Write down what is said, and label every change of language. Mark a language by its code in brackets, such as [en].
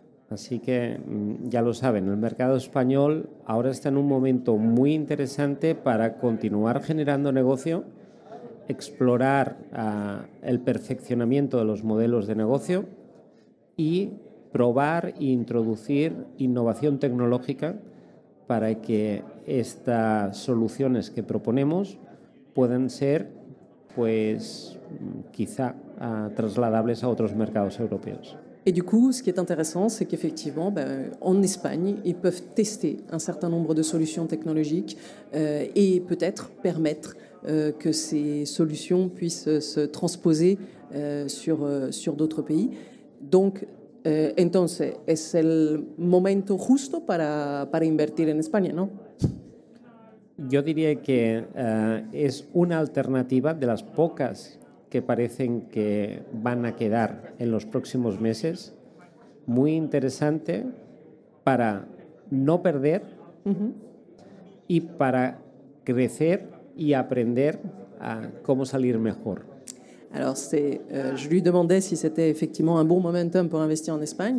[es] Así que ya lo saben, el mercado español ahora está en un momento muy interesante para continuar generando negocio, explorar el perfeccionamiento de los modelos de negocio y probar e introducir innovación tecnológica para que estas soluciones que proponemos puedan ser, pues, quizá trasladables a otros mercados europeos. [fr] Et du coup, ce qui est intéressant, c'est qu'effectivement, en Espagne, ils peuvent tester un certain nombre de solutions technologiques et peut-être permettre que ces solutions puissent se transposer sur d'autres pays. [es] Donc, entonces, es el momento justo para invertir en España, ¿no? Yo diría que es una alternativa de las pocas que parecen que van a quedar en los próximos meses, muy interesante para no perder y para crecer y aprender a cómo salir mejor. [fr] Alors, je lui demandais si c'était effectivement un bon momentum pour investir en Espagne.